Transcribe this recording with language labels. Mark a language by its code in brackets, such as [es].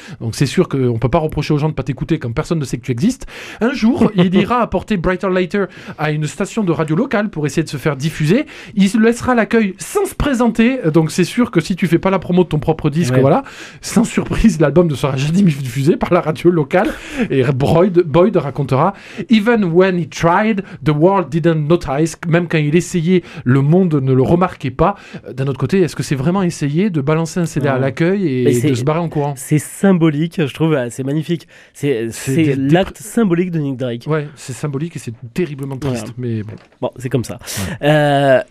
[fr] Donc c'est sûr qu'on peut pas reprocher aux gens de pas t'écouter quand personne ne sait que tu existes. Un jour, il ira apporter Brighter Lighter à une station de radio locale pour essayer de se faire diffuser. Il se laissera l'accueil sans se présenter. Donc c'est sûr que si tu fais pas la promo de ton propre disque, voilà, sans surprise, l'album ne sera jamais diffusé par la radio locale. Et Boyd racontera, [en] even when he tried, the world didn't notice. [fr] Même quand il essayait, le monde ne le remarquait pas. D'un autre côté, est-ce que c'est vraiment essayer de balancer un CD à l'accueil et de se barrer en courant? C'est symbolique, je trouve, c'est magnifique. C'est l'acte symbolique de Nick Drake. Ouais, c'est symbolique et c'est terriblement triste. Ouais. Mais bon, c'est comme ça. Ouais.